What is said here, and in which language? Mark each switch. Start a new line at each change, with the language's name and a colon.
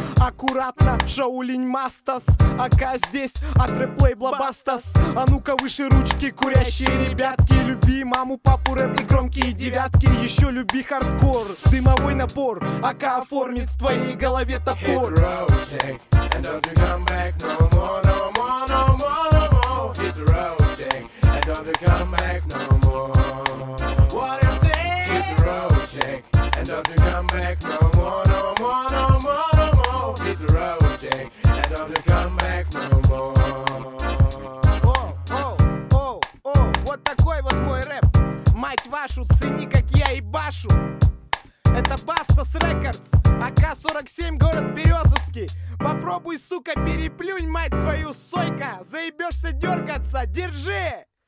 Russian: Аккуратно, Шаолинь Мастас. Ака здесь, Атреплей Блабастас. А ну-ка выше ручки, курящие ребятки. Люби маму, папу, рэп и громкие девятки. Еще люби хардкор, дымовой напор. Ака оформит в твоей голове топор.
English: And don't you come back no more, no more, no more, no more. Hit the road, Jack, and don't you come back no more. What is it? Hit the road, Jack, and don't you come back no more, no more, no more, no more. Hit the road, Jack, and don't you come back no more.
Russian: О, о, о, о, вот такой вот мой рэп. Мать вашу, цени, как я ебашу. Это Бастас Рекордс, АК-47, город Березовский. Попробуй, сука, переплюнь, мать твою, сойка. Заебешься дергаться, держи.